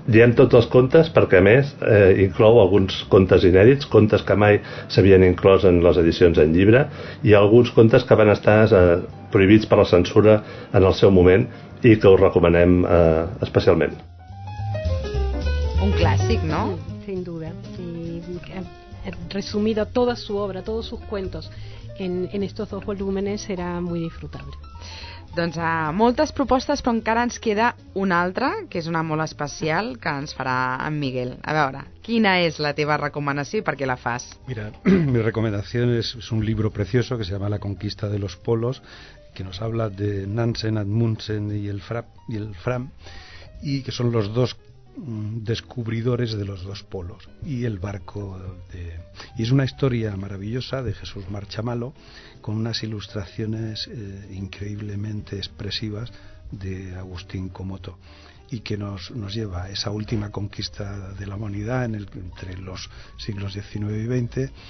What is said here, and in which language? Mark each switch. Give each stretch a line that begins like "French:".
Catalan: Diem tots els contes perquè, a més, inclou alguns contes inèdits, contes que mai s'havien inclòs en les edicions en llibre, i alguns contes que van estar prohibits per la censura en el seu moment i que us recomanem especialment. Un clàssic, no?
Spanish: Sin duda. Y resumida toda su obra, todos sus cuentos en estos dos volúmenes será muy disfrutable.
Catalan: Doncs moltes propostes, però encara ens queda una altra, que és una molt especial, que ens farà en Miguel. A veure, quina és la teva recomanació i per què la fas?
Spanish: Mira, mi recomendación es un libro precioso que se llama La conquista de los polos, que nos habla de Nansen, Amundsen y el Fram, y que son los dos descubridores de los dos polos y el barco de... Y es una historia maravillosa de Jesús Marchamalo, con unas ilustraciones increíblemente expresivas de Agustín Comoto, y que nos lleva a esa última conquista de la humanidad entre los siglos XIX y XX.